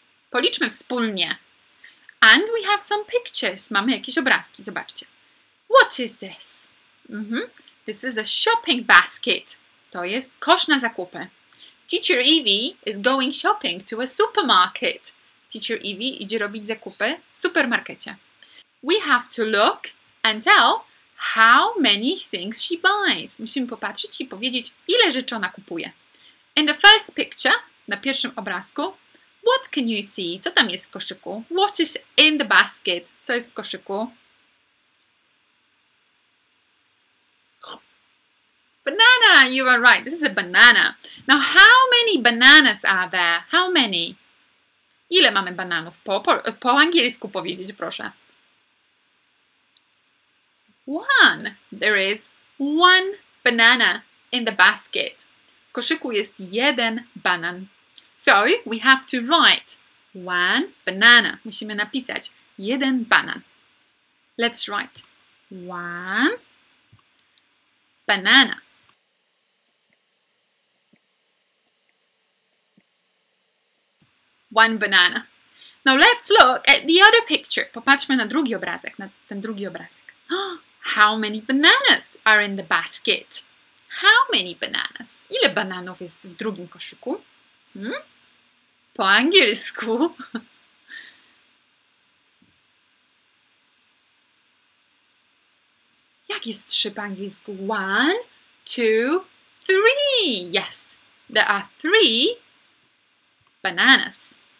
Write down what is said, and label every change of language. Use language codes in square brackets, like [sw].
[pl] Policzmy wspólnie. [en] And we have some pictures. [pl] Mamy jakieś obrazki. Zobaczcie. [en] What is this? This is a shopping basket. [pl] To jest kosz na zakupy. [en] Teacher Evie is going shopping to a supermarket. [pl] Teacher Evie idzie robić zakupy w supermarkecie. [en] We have to look and tell how many things she buys. [pl] Musimy popatrzeć i powiedzieć, ile rzeczy ona kupuje. [en] In the first picture, [pl] na pierwszym obrazku, [en] what can you see? [pl] Co tam jest w koszyku? [en] What is in the basket? [pl] Co jest w koszyku? [en] Banana! You are right. This is a banana. Now, how many bananas are there? How many? [pl] Ile mamy bananów? Po angielsku powiedzieć, proszę. [en] One. There is one banana in the basket. [pl] W koszyku jest jeden banan. [en] So, we have to write one banana. [pl] Musimy napisać jeden banan. [en] Let's write one banana. One banana. Now let's look at the other picture. [pl] Popatrzmy na drugi obrazek, na ten drugi obrazek. [en] How many bananas are in the basket? How many bananas? [pl] Ile bananów jest w drugim koszyku? Po angielsku. Jak jest trzy po angielsku? [en] One, two, three. Yes, there are three bananas.